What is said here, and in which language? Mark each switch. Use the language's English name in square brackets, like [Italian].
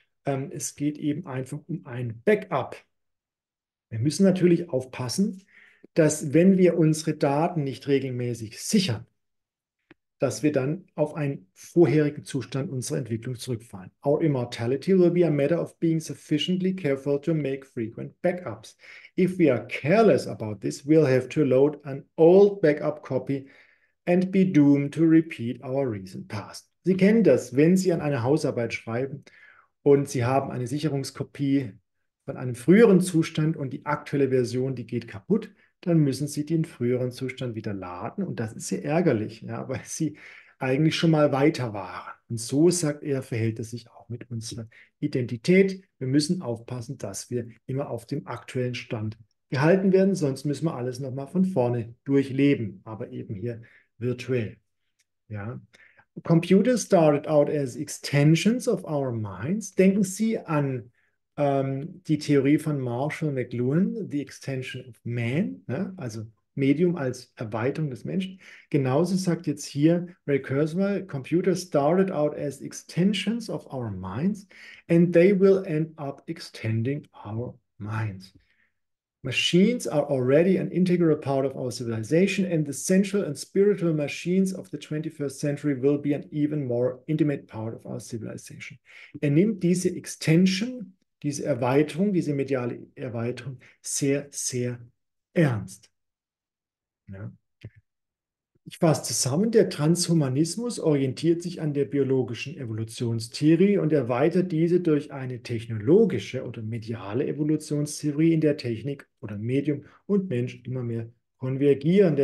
[German] Es geht eben einfach um ein Backup. Wir müssen natürlich aufpassen, dass wenn wir unsere Daten nicht regelmäßig sichern, dass wir dann auf einen vorherigen Zustand unserer Entwicklung zurückfallen. [English] Our immortality will be a matter of being sufficiently careful to make frequent backups. If we are careless about this, we'll have to load an old backup copy and be doomed to repeat our recent past. [German] Sie kennen das, wenn Sie an eine Hausarbeit schreiben und Sie haben eine Sicherungskopie von einem früheren Zustand und die aktuelle Version, die geht kaputt. Dann müssen Sie den früheren Zustand wieder laden. Und das ist sehr ärgerlich, ja, weil Sie eigentlich schon mal weiter waren. Und so, sagt er, verhält es sich auch mit unserer Identität. Wir müssen aufpassen, dass wir immer auf dem aktuellen Stand gehalten werden, sonst müssen wir alles nochmal von vorne durchleben, aber eben hier virtuell. Ja. [English] Computers started out as extensions of our minds. [German] Denken Sie an die Theorie von Marshall McLuhan, [English] the extension of man, [German] ja, also Medium als Erweiterung des Menschen. Genauso sagt jetzt hier Ray Kurzweil, [English] Computers started out as extensions of our minds and they will end up extending our minds. Machines are already an integral part of our civilization and the sensual and spiritual machines of the 21st century will be an even more intimate part of our civilization. [German] Er nimmt diese Extension, diese Erweiterung, diese mediale Erweiterung sehr, sehr ernst. Ja. Ich fasse zusammen, der Transhumanismus orientiert sich an der biologischen Evolutionstheorie und erweitert diese durch eine technologische oder mediale Evolutionstheorie, in der Technik oder Medium und Mensch immer mehr konvergieren.